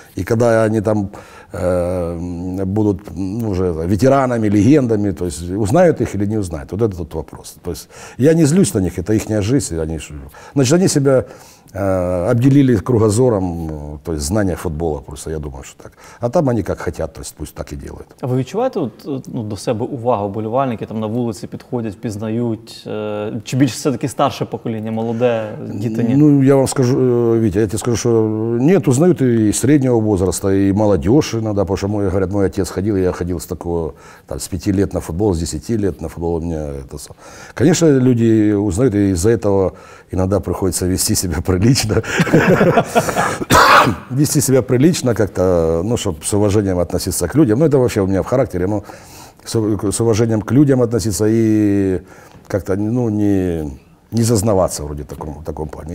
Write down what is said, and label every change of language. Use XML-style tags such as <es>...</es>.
<ru>И когда они там будут, ну, уже ветеранами, легендами, то есть узнают их или не узнают. Вот это тот вопрос. То есть, я не злюсь на них, это их жизнь. Значит, они себя обделили кругозором, то есть знания футбола просто, я думаю, что так. А там они как хотят, то есть пусть так и делают.</ru> <uk>А вы відчуваєте до себе увагу болівальники, там на вулиці підходять, пізнають? Чи більше все-таки старше покоління, молоде, діти? Ні? Ну, я вам скажу, Витя, я тебе скажу, що ні, узнають і середнього возраста, і молодежь іноді, тому що,</uk> <ru>мой, говорят, мой отец ходил, я ходил</ru> <uk>з такого, там, з 5 лет на футбол, з 10 лет на футбол.</uk> <ru>Конечно, люди узнают, и из-за этого иногда приходится вести себя прилично. Вести себя прилично как-то, ну, чтобы с уважением относиться к людям. Ну, это вообще у меня в характере, но с уважением к людям относиться и как-то, ну, не зазнаваться вроде в таком плане.</ru>